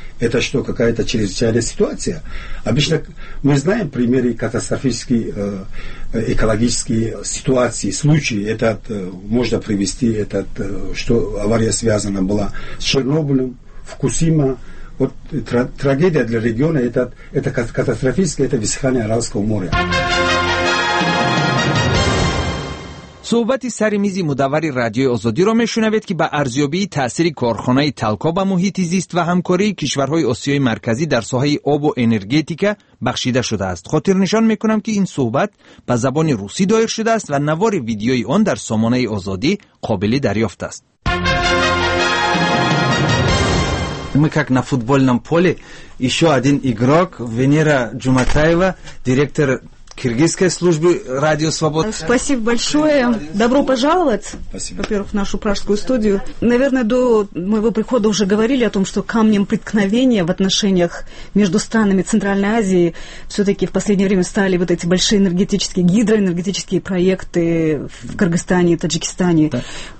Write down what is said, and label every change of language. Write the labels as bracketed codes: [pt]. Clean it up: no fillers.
[ru] Это что, какая-то чрезвычайная ситуация? Обычно мы знаем примеры катастрофических экологических ситуаций, случаев. Можно привести, что авария связана была с Чернобылем, Фукусима. Вот трагедия для региона, это катастрофическое, это высыхание Аральского моря. [fa] صحبتی سر میزی مداوری رادیوی آزادی رو میشنوید که با ارزیابی تاثیر کارخانه تلکا به محیط زیست و همکاری کشورهای آسیای مرکزی در ساحه آب و انرژیتیکا بخشیده شده است. خاطر نشان میکنم که این صحبت به زبان روسی دایر شده است و نوار ویدیوی آن در سامانه آزادی قابل دریافت است. [ru] Мы как на футбольном поле, еще один игрок Венера Джуматаева, директор Киргизской службы Радио Свобода. Спасибо большое. Добро пожаловать, во-первых, в нашу пражскую студию. Наверное, до моего прихода уже говорили о том, что камнем преткновения в отношениях между странами Центральной Азии все-таки в последнее время стали вот эти большие энергетические, гидроэнергетические проекты в Кыргызстане и Таджикистане. Да.